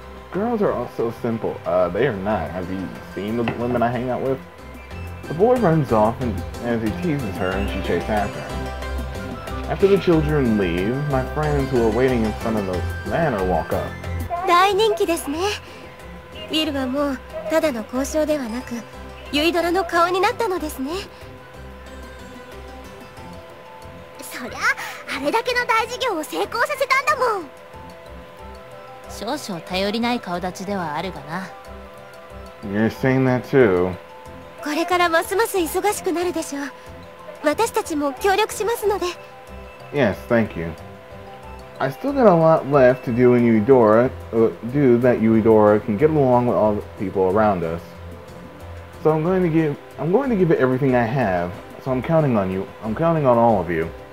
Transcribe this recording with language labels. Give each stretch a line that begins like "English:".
English: Girls are all so simple. They are not. Have you seen the women I hang out with? The boy runs off and as he teases her and she chases after him. After the children leave, my friends who are waiting in front of the manor walk up.
Japanese: 大人気ですね。ウィルはもうただの交渉ではなく、ユイドラの顔になったのですね。そりゃあれだけの大事業を成功させたんだもん。少々頼りない顔立ちではあるがな。
English: You're saying that too.
Japanese: これからますます忙しくなるでしょう。私たちも協力しますので。
English: Yes, thank you. I still got a lot left to do in Yuidora, do that Yuidora can get along with all the people around us. So I'm going to give it everything I have. So I'm counting on you. I'm counting on all of you.